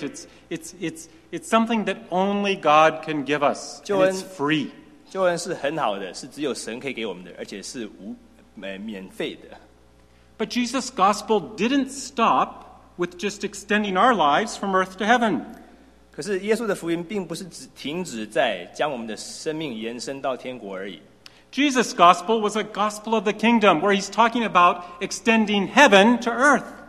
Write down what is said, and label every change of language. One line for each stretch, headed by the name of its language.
English: It's something that only God can give us.
Chinese: 救恩,
English: it's free.
Chinese: 救恩是很好的，是只有神可以给我们的，而且是免费的。But
English: Jesus' gospel didn't stop with just extending our lives from earth to heaven.
Chinese: 可是耶稣的福音并不是只停止在将我们的生命延伸到天国而已。
English: Jesus' gospel was a gospel of the kingdom where he's talking about extending heaven to earth.